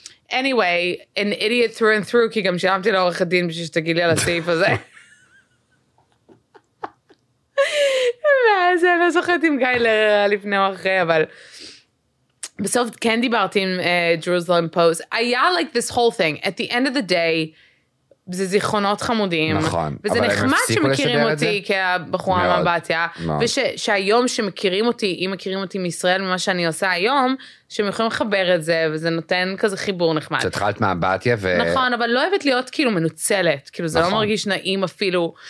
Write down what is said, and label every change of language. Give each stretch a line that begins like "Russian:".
English: anyway, an idiot through and through,
Hebrew: כי גם שילמתי לעורך הדין בשביל שתגיד לי על הסעיף הזה. ואז אני לא זוכרת עם גיא לרר לפני או אחרי, אבל בסוף כן דיברתי עם Jerusalem Post. היה
English: like this whole thing, at the end of the day,
Hebrew: זה זיכרונות חמודים. נכון. וזה נחמד שמכירים אותי כבחורה מהבתיה, ושהיום שמכירים אותי, אם מכירים אותי מישראל ממה שאני עושה היום, שהם יכולים לחבר את זה, וזה נותן כזה חיבור נחמד. שהתחלת מהבתיה ו... נכון, אבל לא אוהבת להיות כאילו מנוצלת, כאילו זה לא מרגיש נעים אפילו.